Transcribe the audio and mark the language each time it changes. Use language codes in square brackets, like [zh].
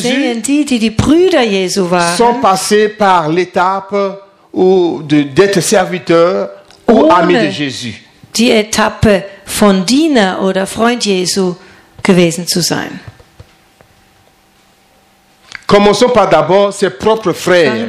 [de] sehen, die Brüder Jesu waren, [fr] sont passés par l'étape où d'être serviteur ou ami de Jésus. [de] Die Etappe von Diener oder Freund Jesu gewesen zu sein. [fr] Commençons par d'abord ses propres frères,